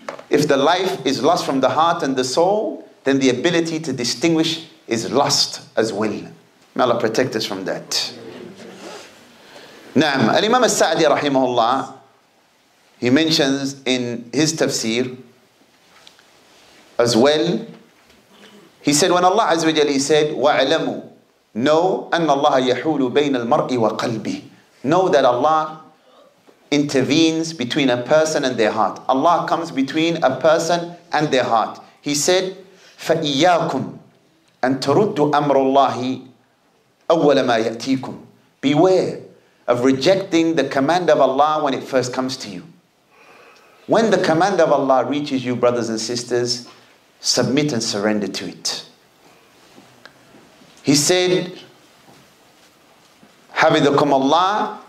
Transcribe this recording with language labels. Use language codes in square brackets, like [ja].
[en] If the life is lost from the heart and the soul, then the ability to distinguish is lost as well. May Allah protect us from that. Naam, al-Imam al-Sa'di rahimahullah, he mentions in his tafsir as well, he said, when Allah Azza wa Jalla, he said, [ar] وَعْلَمُوا. [en] Know [ar] أن الله يحول بين المرء وقلبه. [en] Know that Allah intervenes between a person and their heart. Allah comes between a person and their heart. He said, [ar] فإياكم أن تردوا أمر الله أول ما يأتيكم. [en] Beware of rejecting the command of Allah when it first comes to you. When the command of Allah reaches you, brothers and sisters, submit and surrender to it. He said, [ar] حَفِظَكُمْ اللَّهُ.